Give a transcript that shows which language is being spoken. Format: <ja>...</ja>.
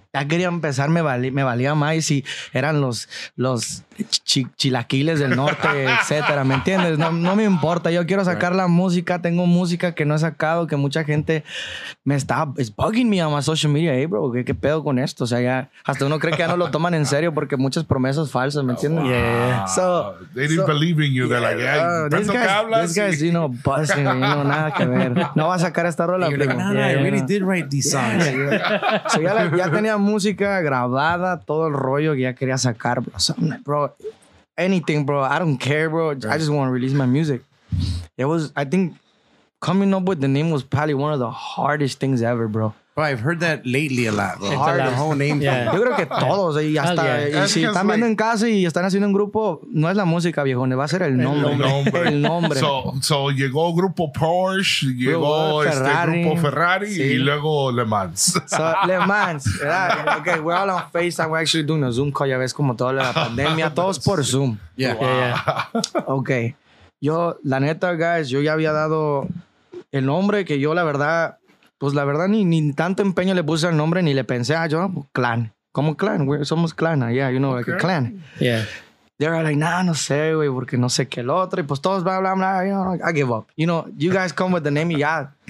<es>Ya quería empezar, me valía más si eran los chilaquiles del norte, etcétera, ¿me entiendes? No me importa, yo quiero sacar la música, tengo música que no he sacado, que mucha gente me está,</es> <en>it's bugging me on my social media,</en> <es>hey, bro, ¿qué pedo con esto? O sea, ya, hasta uno cree que ya no lo toman en serio porque muchas promesas falsas, ¿me entiendes?</es> <en>Wow. Yeah. So, they didn't believe in you, they're like, yeah, this guy's, you know, busting, you know,</en> <es>nada que ver. No va a sacar esta rola.</es> <en>You're like, nah, I really did write these songs. Yeah.</en> <es>So, ya tenía música grabada, todo el rollo que ya quería sacar, bro.</es> <en>So, bro, anything, bro, I don't care, bro. Right. I just want to release my music. It was, I think, coming up with the name was probably one of the hardest things ever, bro. Well, I've heard that lately a lot. The whole name.</en> <es>Yo creo que todos. Y hasta si están viendo en casa y están haciendo un grupo, no es la música, viejo, va a ser el nombre. El nombre. So llegó Grupo Porsche, llegó Ferrari. Grupo Ferrari, sí. Y luego Lemanz.</es> <en>So, Lemanz. Okay, we're all on FaceTime. We're actually doing a Zoom call,</en> <es>ya ves, como toda la pandemia. Todos por Zoom.</es> <en>Yeah. Okay.</en> <es>Yo, la neta, guys, yo ya había dado el nombre que yo, la verdad... Pues la verdad, ni tanto empeño le puse al nombre, ni le pensé, yo, clan. ¿Cómo clan? Somos clan,</es> <en>yeah, you know, okay. Like a clan. Yeah. They're like, nah,</en> <es>no sé, güey, porque no sé qué el otro. Y pues todos, bla, bla, bla,</es> <en>you know, I give up. You know, you guys come with the name,</en> <es>y ya.</es>